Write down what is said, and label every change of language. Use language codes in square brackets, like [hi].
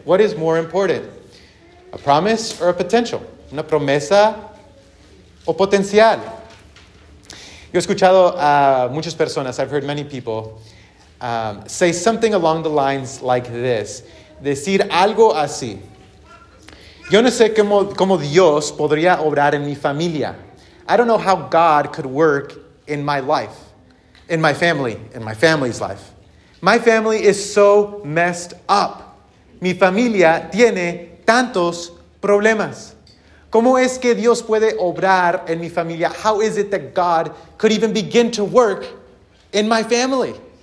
[en] What is more important? A promise or a potential? [es] Una promesa o potencial. Yo he escuchado a muchas personas, [en] I've heard many people, say something along the lines like this. [es] Decir algo así. Yo no sé cómo Dios podría obrar en mi familia. [en] I don't know how God could work in my life, in my family, in my family's life. My family is so messed up. [es] Mi familia tiene tantos problemas. ¿Cómo es que Dios puede obrar en mi familia? [en] How is it that God could even begin to work in my family?